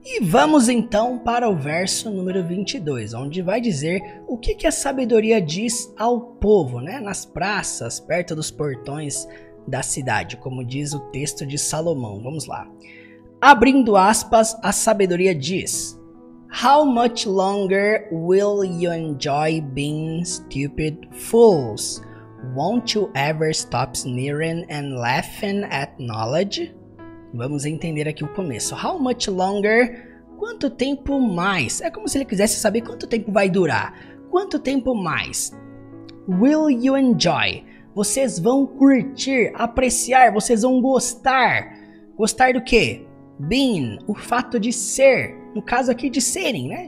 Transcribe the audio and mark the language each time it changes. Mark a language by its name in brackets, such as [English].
[Portuguese] E vamos então para o verso número 22, onde vai dizer o que que a sabedoria diz ao povo, né? Nas praças, perto dos portões da cidade, como diz o texto de Salomão. Vamos lá. Abrindo aspas, a sabedoria diz: [English] How much longer will you enjoy being stupid fools? Won't you ever stop sneering and laughing at knowledge? [Portuguese] Vamos entender aqui o começo. [English] How much longer? [Portuguese] Quanto tempo mais? É como se ele quisesse saber quanto tempo vai durar. Quanto tempo mais? [English] Will you enjoy? [Portuguese] Vocês vão curtir, apreciar, vocês vão gostar. Gostar do quê? Being, o fato de ser. No caso aqui de serem, né?